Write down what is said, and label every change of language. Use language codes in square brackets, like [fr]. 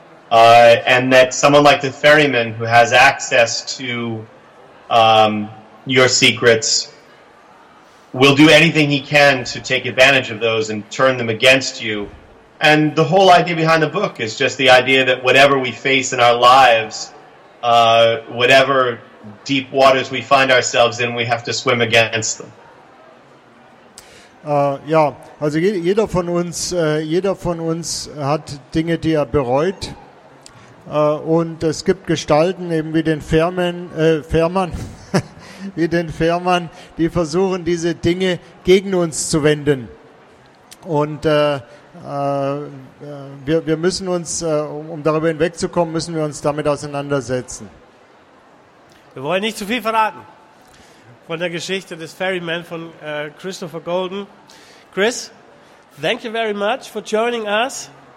[en] And that someone like the ferryman who has access to your secrets will do anything he can to take advantage of those and turn them against you. And the whole idea behind the book is just the idea that whatever we face in our lives, whatever deep waters we find ourselves in, we have to swim against them. [de] Ja, also jeder von uns hat Dinge, die er bereut. Und es gibt Gestalten, eben wie den Fährmann, die versuchen, diese Dinge gegen uns zu wenden. Und wir müssen uns, um darüber hinwegzukommen, müssen wir uns damit auseinandersetzen. Wir wollen nicht zu viel verraten von der Geschichte des Ferryman von Christopher Golden. [en] Chris, thank you very much for joining us.